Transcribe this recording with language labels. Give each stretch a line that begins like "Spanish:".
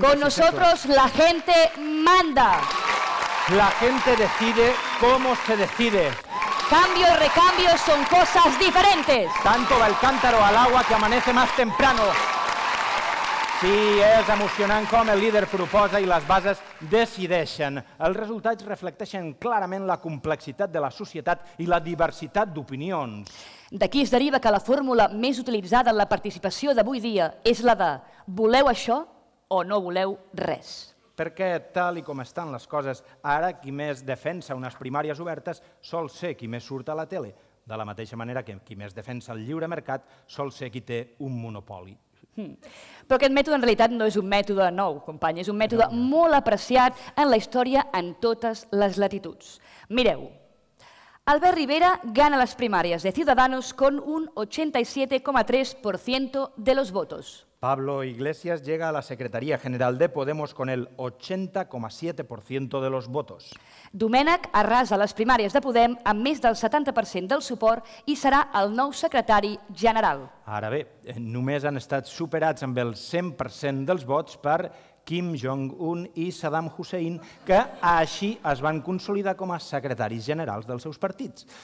Spanish: Con nosotros la gente manda. La gente decide cómo se decide. Cambio y recambio son cosas diferentes. Tanto va el cántaro al agua que amanece más temprano.
Catalan: Sí, és emocionant com el líder proposa i les bases decideixen. Els resultats reflecteixen clarament la complexitat de la societat i la diversitat d'opinions. D'aquí es deriva que la fórmula més utilitzada en la participació d'avui dia és la de voleu això o no voleu res. Perquè tal com estan les coses, ara qui més defensa unes primàries obertes sol ser qui més surt a la tele. De la mateixa manera que qui més defensa el lliure mercat sol ser qui té un monopoli. Però aquest mètode en realitat no és un mètode nou, company, és un mètode molt apreciat en la història en totes les latituds.
Spanish: Mireu, Albert Rivera gana
Catalan: les primàries
Spanish: de Ciudadanos con un 87,3% de los votos. Pablo Iglesias llega a la Secretaría General de Podemos con el 80,7% de los votos.
Catalan: Domènech arrasa les primàries de Podem amb més del 70% del suport i serà el nou secretari general. Ara bé, només han estat superats amb el 100% dels vots per Kim Jong-un i Saddam Hussein, que així es van consolidar com a secretaris generals dels seus partits.